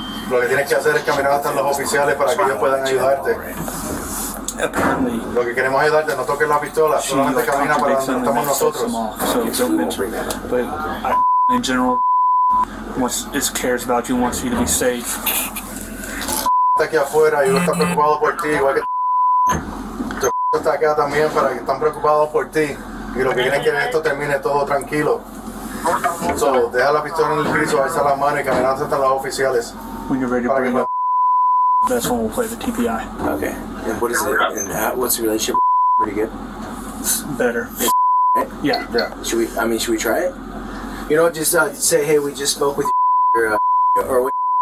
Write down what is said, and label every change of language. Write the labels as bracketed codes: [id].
[es] Lo que tienes que hacer es caminar hasta los oficiales para que ellos puedan ayudarte. [en] Apparently, [es] lo que queremos ayudarte, no toques la pistola. Solamente camina para donde estamos nosotros. [en] So don't mention that. But in general, just cares about you, wants you to be safe. [es] Está aquí afuera y está preocupado por ti, igual que está acá también para que están preocupados por ti y lo que quieren es que esto termine todo tranquilo. So, deja la pistola en el piso, alza la mano y caminando hasta los oficiales. [en] When you're ready to bring up, that's when we'll play the TPI. Okay. And what is it? And what's the relationship? Pretty good. It's better. It's yeah. Should we try it? You know, just say, hey, we just spoke with your or with.